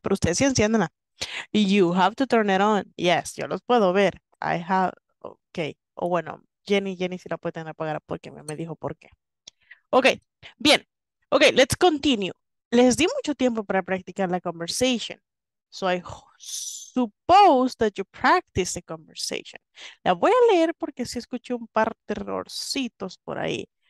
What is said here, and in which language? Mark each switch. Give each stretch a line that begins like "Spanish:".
Spanish: Pero ustedes sí enciéndanla.
English: You have to turn it on.
Spanish: Yes, yo los puedo ver.
English: I have, okay.
Spanish: O bueno, Jenny sí la puede tener apagada porque me dijo por qué. Okay, bien. Okay,
English: let's continue.
Spanish: Les di mucho tiempo para practicar la conversation.
English: So I suppose that you practice the conversation.
Spanish: La voy a leer porque sí escuché un par de errorcitos por ahí.